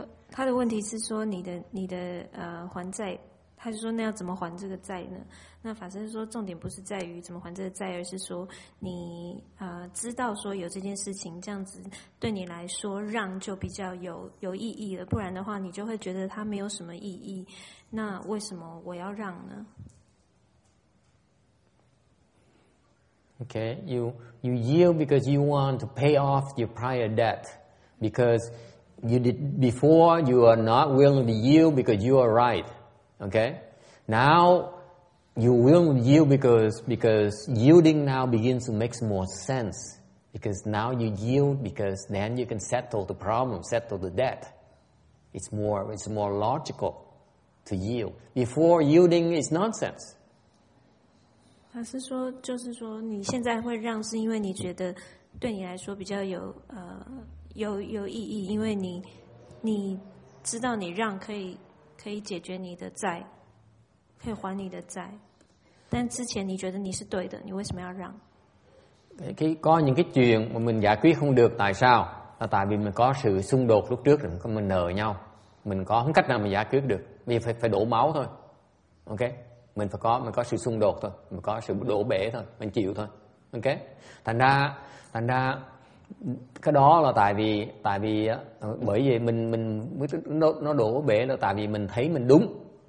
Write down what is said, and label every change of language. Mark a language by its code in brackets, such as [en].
[zh] 他的问题是说你的还债。他就说：“那要怎么还这个债呢？” 那法师说：“重点不是在于怎么还这个债，而是说你知道说有这件事情，这样子对你来说让就比较有意义了。不然的话，你就会觉得它没有什么意义。那为什么我要让呢 [en] ？”Okay, you yield because you want to pay off your prior debt because you did before. You are not willing to yield because you are right. Okay, now you will yield because yielding now begins to make more sense. Because now you yield because then you can settle the problem, settle the debt. It's more logical to yield. Before yielding is nonsense. [zh] 他是说，就是说你现在会让，是因为你觉得对你来说比较有意义，因为你知道你让可以解决你的债，可以还你的债，但之前你觉得你是对的，你为什么要让？ [vi] Cái có những cái chuyện mà mình giải quyết không được tại sao? Là tại vì mình có sự xung đột lúc trước rồi, mình nợ nhau, mình có không cách nào mà giải quyết được, vì phải đổ máu thôi. OK, mình có sự xung đột thôi, mình có sự đổ bể thôi, mình chịu thôi. OK, thành ra. Cái đó là tại vì bởi vì mình nó đổ bể là tại vì mình thấy mình đúng.